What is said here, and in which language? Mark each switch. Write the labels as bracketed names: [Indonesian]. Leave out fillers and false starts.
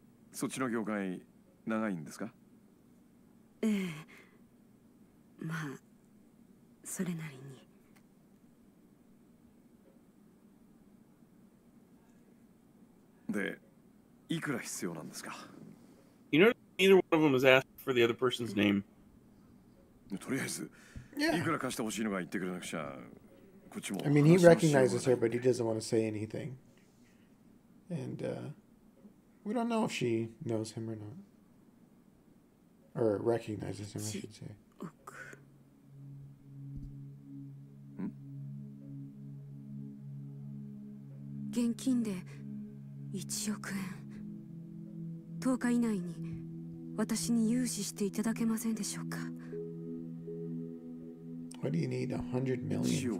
[Japanese] そっちの業界 長いんですか? ええ。まあ、それなりに。で、いくら必要なんですか。 [English] You know, neither one of them has asked for the other person's name. [Japanese] とりあえず、いくら貸してほしいのか言ってくれなくちゃ、こっちも。 [English] I mean, he recognizes her, but he doesn't want to say anything. And, we don't know if she knows him or not. Or recognizes him, I should say. What do you need $100 million